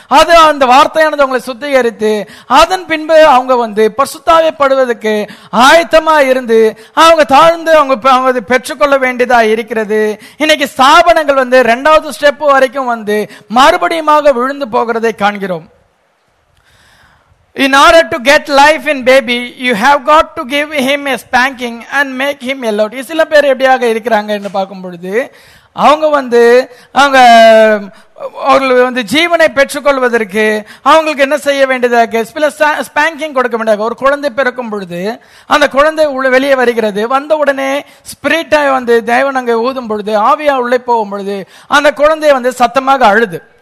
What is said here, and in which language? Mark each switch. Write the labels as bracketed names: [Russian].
[Tamil] அது அந்த வார்த்தையானது அவங்களை சுத்திகரித்து அதன் பின்பு அவங்க வந்து பரிசுத்தாவியப்படுவதற்கு ஆயத்தமா இருந்து அவங்க தாழ்ந்து அவங்க பெற்றுக்கொள்ள வேண்டியதா இருக்கிறது. இன்னைக்கு ஸ்தாபனங்கள் வந்து 2nd step வரைக்கும் வந்து மறுபடியும் விழுந்து போகிறதை காண்கிறோம். [English] In order to get life in baby, you have got to give him a spanking and make him yellow. [Tamil] சில பேர் எப்படியாக இருக்கிறாங்க என்று பார்க்கும் பொழுது அவங்க வந்து அவங்க அவர்களுக்கு வந்து ஜீவனை பெற்றுக்கொள்வதற்கு அவங்களுக்கு என்ன செய்ய வேண்டியதாக ஸ்பேங்கிங் கொடுக்க வேண்டியதாக. ஒரு குழந்தை பிறக்கும் பொழுது அந்த குழந்தை வெளியே வருகிறது. வந்த உடனே ஸ்பிரிட்டாக வந்து தேவன் அங்கே ஊதும் பொழுது ஆவியா உள்ளே போகும் பொழுது அந்த குழந்தைய வந்து சத்தமாக அழுது.